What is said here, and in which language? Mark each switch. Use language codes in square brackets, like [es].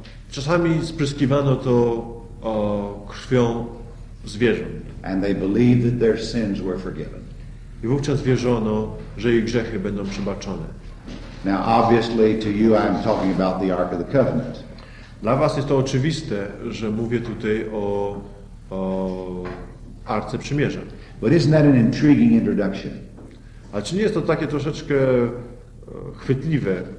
[pl] Czasami spryskiwano to krwią zwierząt. [en] And they believed that their sins were forgiven. [pl] I wówczas wierzono, że ich grzechy będą przebaczone. [en] Now obviously to you I'm talking about the Ark of the Covenant. [pl] Dla was jest to oczywiste, że mówię tutaj o Arce Przymierza. [en] But isn't that an intriguing introduction? [pl] A czy nie jest to takie troszeczkę chwytliwe